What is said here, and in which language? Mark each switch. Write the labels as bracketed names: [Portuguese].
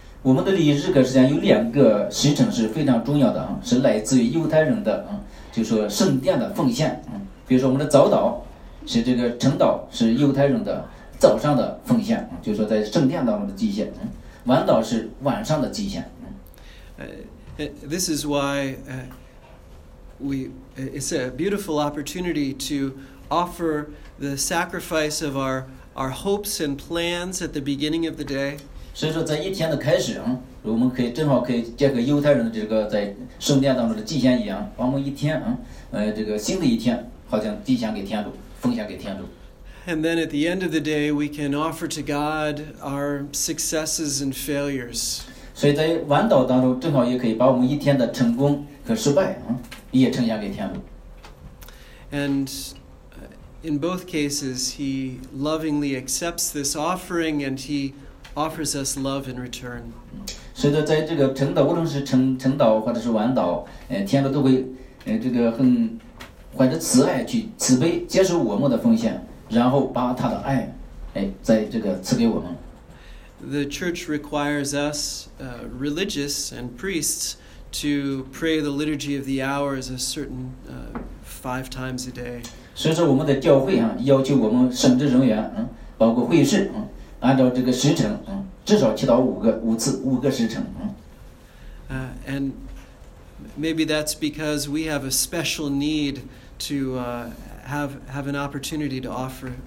[Chinese] 我们的礼仪日课实际上有两个时辰是非常重要的，是来自于犹太人的，就是说圣殿的奉献。比如说我们的早祷是这个晨祷是犹太人的早上的奉献，就是说在圣殿当中的祭献，晚祷是晚上的祭献。 [English] This is why it's a beautiful opportunity to offer the sacrifice of our hopes and plans at the beginning of the day. [Chinese] 所以说在一天的开始我们可以正好可以借个犹太人的这个在圣殿当中的祭献一样，把我们一天这个新的一天好像祭献给天主，奉献给天主。 [English] And then at the end of the day, we can offer to God our successes and failures. [Chinese] 所以在晚祷当中正好也可以把我们一天的成功和失败也呈现给天主。 [English] And in both cases, he lovingly accepts this offering and he offers us love in return. [Chinese] 所以说在这个晨祷，无论是晨祷或者是晚祷，天主都会这个很怀着慈爱去慈悲接受我们的奉献，然后把他的爱在这个赐给我们。 [English] The church requires us, religious and priests, to pray the liturgy of the hours a certain five times a day. [Chinese] 所以说我们的教会要求我们神职人员包括会士按照这个时辰至少祈祷五个时辰。 [English] And maybe that's because we have a special need to have an opportunity to offer.